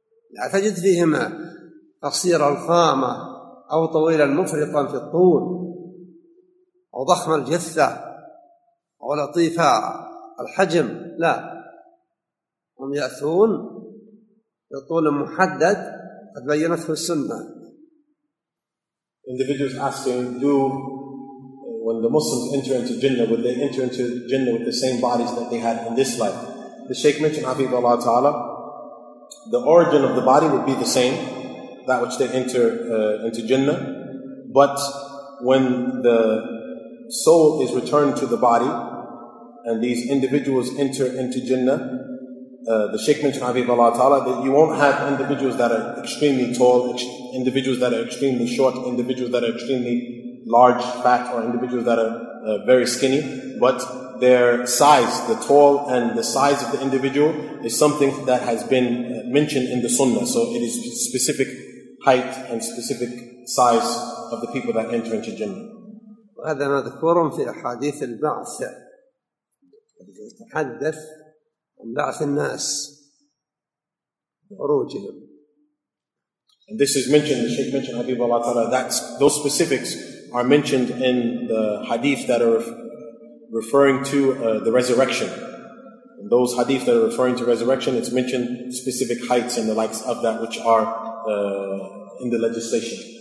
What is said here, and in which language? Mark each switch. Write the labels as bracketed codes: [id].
[ar] لا تجد فيهما قصير الخامة أو طويلا مفرطا في الطول أو ضخم الجثة أو لطيف الحجم، لا، هم يأتون بطول محدد قد بينته السنة. [en] Individuals asking, do when the Muslims enter into Jannah, would they enter into Jannah with the same bodies that they had in this life? The Shaykh mentioned, Habib Allah Ta'ala, the origin of the body would be the same, that which they enter into Jannah, but when the soul is returned to the body and these individuals enter into Jannah, the Shaykh mentioned, Habib Allah Ta'ala, that you won't have individuals that are extremely tall, individuals that are extremely short, individuals that are extremely large, fat, or individuals that are very skinny, but their size, the tall and the size of the individual is something that has been mentioned in the Sunnah. So it is specific height and specific size of the people that enter into Jannah. [ar] هذا مذكور في أحاديث البعث الذي يتحدث عن بعث الناس وعروجهم. [en] And this is mentioned, the Shaykh mentioned, Habib Allah Ta'ala, that those specifics are mentioned in the hadith that are referring to the resurrection. And those hadith that are referring to resurrection, it's mentioned specific heights and the likes of that which are in the legislation.